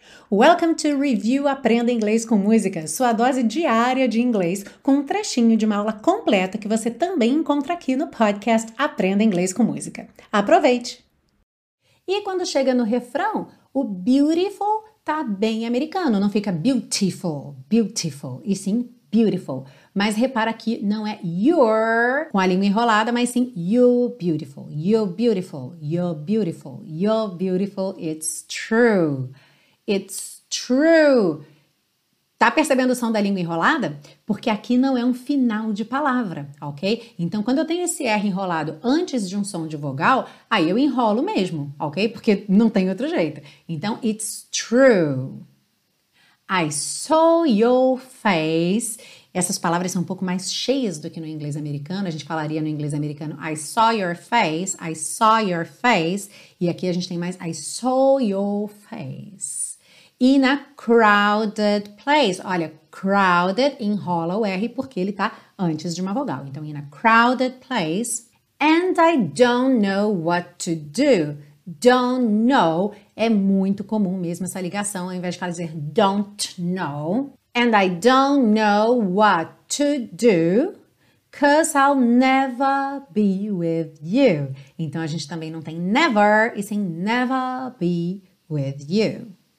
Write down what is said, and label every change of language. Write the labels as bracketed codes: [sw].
[en] Welcome to [pt] Review Aprenda Inglês com Música, sua dose diária de inglês, com um trechinho de uma aula completa que você também encontra aqui no podcast Aprenda Inglês com Música. Aproveite! E quando chega no refrão, o beautiful tá bem americano, não fica beautiful, beautiful, e sim beautiful. Mas repara que não é your com a língua enrolada, mas sim [en] you're beautiful, you're beautiful, you're beautiful, you're beautiful, it's true. It's true. [pt] Tá percebendo o som da língua enrolada? Porque aqui não é um final de palavra, ok? Então, quando eu tenho esse R enrolado antes de um som de vogal, aí eu enrolo mesmo, ok? Porque não tem outro jeito. Então, [en] it's true. I saw your face. [pt] Essas palavras são um pouco mais cheias do que no inglês americano. A gente falaria no inglês americano, [en] I saw your face, I saw your face. [pt] E aqui a gente tem mais, [en] I saw your face. In a crowded place. [pt] Olha, crowded enrola o R porque ele tá antes de uma vogal. Então, [en] in a crowded place. And I don't know what to do. [pt] Don't know é muito comum mesmo essa ligação, ao invés de falar dizer [en] don't know. And I don't know what to do, 'cause I'll never be with you. [pt] Então, a gente também não tem never e sim [en] never be with you.